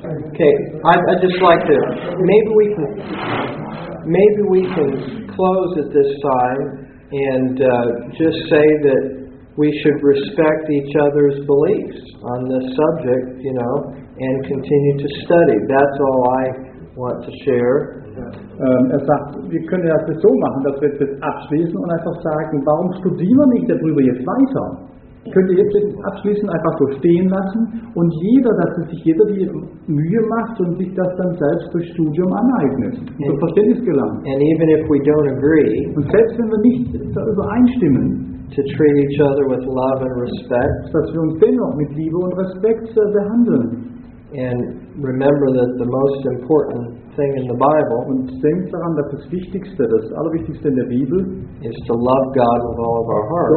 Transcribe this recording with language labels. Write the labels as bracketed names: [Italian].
[English] Okay, I'd just like to, maybe we can close at this time and just say that we should respect each other's beliefs on this subject, you know, and continue to study. That's all I want to share. [German] Er sagt, wir können das so machen, dass wir jetzt abschließen und einfach sagen, warum studieren wir nicht darüber jetzt weiter? Könnt ihr jetzt abschließen, einfach so stehen lassen und jeder, dass es sich jeder die Mühe macht und sich das dann selbst durch Studium aneignet, so Verständnis gelangt. [English] And even if we don't agree, [German] und selbst wenn wir nicht da übereinstimmen, [English] to treat each other with love and respect, [German] dass wir uns dennoch mit Liebe und Respekt behandeln. [English] And remember that the most important thing in the Bible, [German] und denkt daran, dass das Allerwichtigste in der Bibel, [English] is to love God with all of our hearts,